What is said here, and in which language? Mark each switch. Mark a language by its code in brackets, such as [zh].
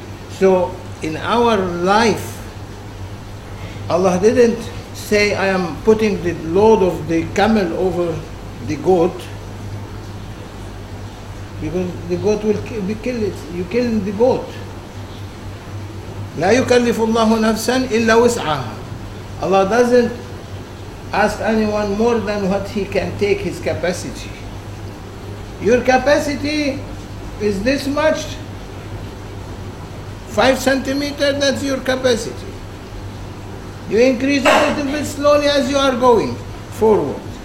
[en] So in our life, Allah didn't say, I am putting the load of the camel over the goat, because the goat will be killed. You kill the goat. [ar] لا يكلف الله نفسا إلا وسعها. [en] Allah doesn't ask anyone more than what he can take, his capacity. Your capacity is this much. 5 centimeters, that's your capacity. You increase a little bit slowly as you are going forward.